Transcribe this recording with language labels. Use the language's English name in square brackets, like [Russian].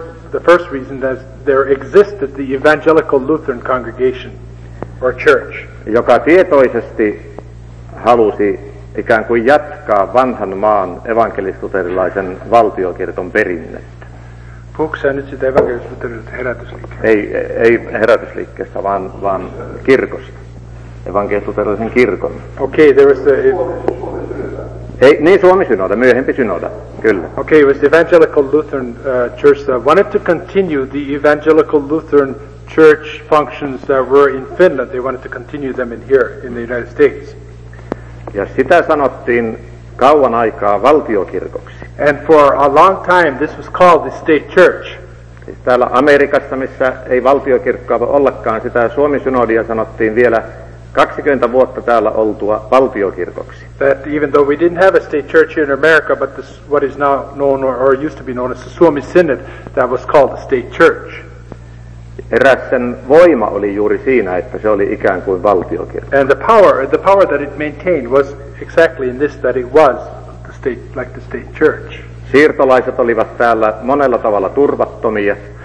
[English] The first reason that there existed the evangelical Lutheran congregation or church, [Finnish] joka tietoisesti halusi ikään kuin jatkaa vanhan maan evankelis-luterilaisen valtiokirkon perinnettä. Puhuko sä nyt sitä evankelis-luterilaisesta herätysliikkeestä? Ei herätysliikkeestä, vaan kirkosta. Evankelis-luterilaisen kirkon. [English] Okay, there was the [Finnish] Ei, niin Suomi synoda, myöhempi synoda, kyllä. [English] Okay, it was the Evangelical Lutheran Church that wanted to continue the Evangelical Lutheran Church functions that were in Finland. They wanted to continue them in here, in the United States. [Finnish] Ja sitä sanottiin kauan aikaa valtiokirkoksi. [English] And for a long time this was called the State Church. [Finnish] Täällä Amerikassa, missä ei valtiokirkkoa voi ollakaan, sitä Suomi synodia sanottiin vielä 20 vuotta täällä oltua valtiokirkoksi. [English] That even though we didn't have a state church here in America, but this what is now known or used to be known as the Suomi Synod, that was called the state church. [Finnish] Eräs sen voima oli juuri siinä, että se oli ikään kuin valtiokirkko. [English] And the power that it maintained was exactly in this, that it was the state, like the state church. [Finnish] Siirtolaiset olivat täällä monella tavalla turvattomia.